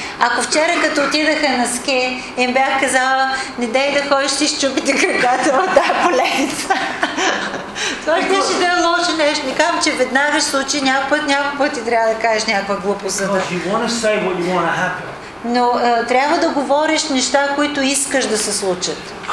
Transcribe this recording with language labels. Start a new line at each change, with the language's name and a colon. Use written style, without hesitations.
Bulgarian: Ако вчера като отидаха на ски, им бях казала, не дай да ходиш, ще счупите краката от тази поленица. Това ще си да е лошо нещо. Не казвам, че веднага ще случи, някой път ти трябва да кажеш някаква глупост.
English: Because you want to say what you want to happen.
Bulgarian: Но трябва да говориш неща, които искаш да се случат.